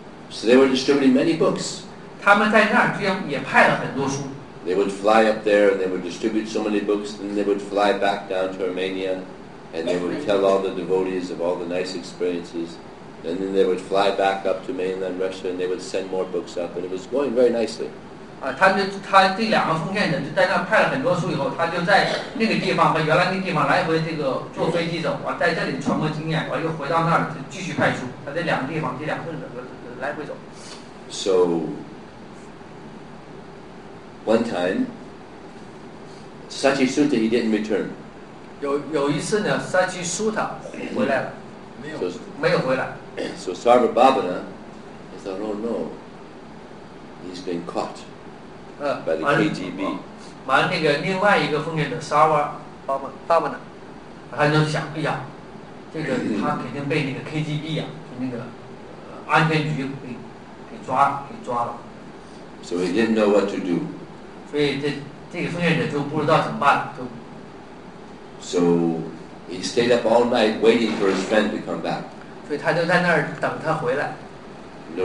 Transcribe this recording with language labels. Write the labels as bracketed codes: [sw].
[en] So they were distributing many books. [zh] 他们在那儿也派了很多书。 [en] They would fly up there and they would distribute so many books, then they would fly back down to Armenia and they would tell all the devotees of all the nice experiences, and then they would fly back up to mainland Russia and they would send more books up, and it was going very nicely. [zh] 他们这两个奉献者就在那儿派了很多书以后，他就在那个地方和原来那地方来回这个坐飞机走，在这里传播经验，然后又回到那儿继续派书，他在两个地方这两个人来回走。 [en] One time, Sachisutta, he didn't return. [zh] 有一次呢, Sachisutta 回来了，没有回来。 [en] So Sarvabhavana, he thought, oh no, he's been caught by the KGB. [zh] 另外一个奉献者, Sarvabhavana, 他就想，哎呀，这个他肯定被那个KGB啊，就那个安全局给抓了。 [en] So he didn't know what to do. [zh] 所以这个奉献者就不知道怎么办，就。 [en] So he stayed up all night waiting for his friend to come back. [zh] 所以他就在那儿等他回来。 [en] No